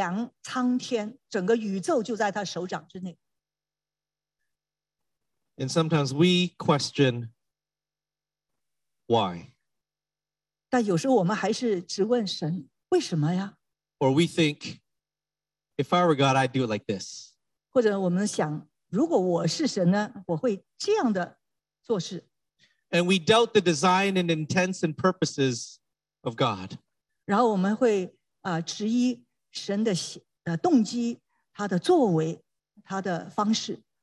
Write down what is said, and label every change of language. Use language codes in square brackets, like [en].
[zh] 但是呢，那个以赛亚书说，神用他的手掌，他的来量苍天，整个宇宙就在他手掌之内。 [en] And sometimes we question why. [zh] 但有时候我们还是直问神，为什么呀？ [en] Or we think, if I were God, I'd do it like this. [zh] 或者我们想，如果我是神呢，我会这样的做事。 [en] And we doubt the design and intents and purposes of God. [zh] 然后我们会质疑神的动机、他的作为、他的方式。